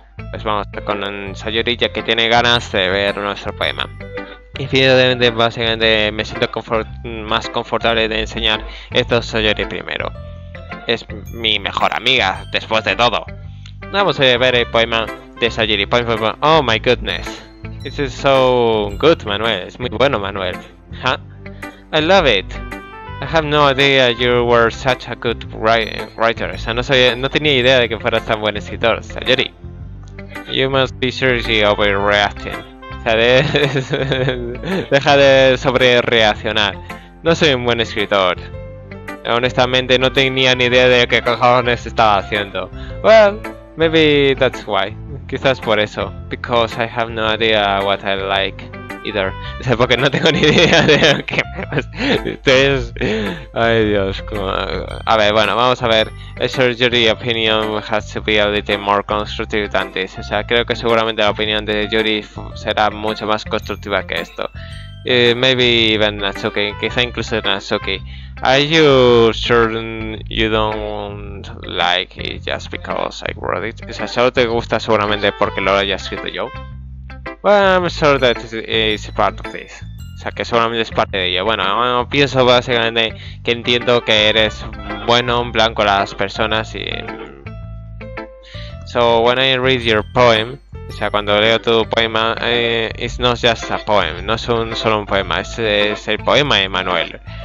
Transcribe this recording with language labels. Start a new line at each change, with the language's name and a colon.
Spanish: Pues vamos con Sayori, ya que tiene ganas de ver nuestro poema. Y finalmente, básicamente, me siento más confortable de enseñar esto a Sayori primero. Es mi mejor amiga, después de todo. Vamos a ver el poema.
English: Sayori, oh my goodness, this is so good, Manuel.
Spanish: Es muy bueno, Manuel.
English: Huh? I love it. I have no idea you were such a good writer.
Spanish: O sea, no tenía idea de que fueras tan buen escritor, Sayori.
English: You must be seriously overreacting.
Spanish: O sea, deja de sobre reaccionar. No soy un buen escritor. Honestamente, no tenía ni idea de qué cojones estaba haciendo.
English: Well, maybe that's why.
Spanish: Quizás por eso,
English: because I have no idea what I like either.
Spanish: O sea, porque no tengo ni idea de qué más. Entonces, ay Dios, a ver, bueno, vamos a ver.
English: A surgery opinion has to be a little more constructive than this.
Spanish: O sea, creo que seguramente la opinión de Yuri será mucho más constructiva que esto.
English: Maybe even Natsuki,
Spanish: quizá incluso Natsuki.
English: Are you sure you don't like it just because I wrote it?
Spanish: O sea, solo te gusta seguramente porque lo haya escrito yo.
English: Well, I'm sure that it's part of this.
Spanish: O sea, que seguramente es parte de ello. Bueno, pienso básicamente que entiendo que eres bueno en plan con las personas y...
English: So, when I read your poem,
Spanish: o sea, cuando leo tu poema,
English: it's not just a poem.
Spanish: No es solo un poema, es el poema de Manuel.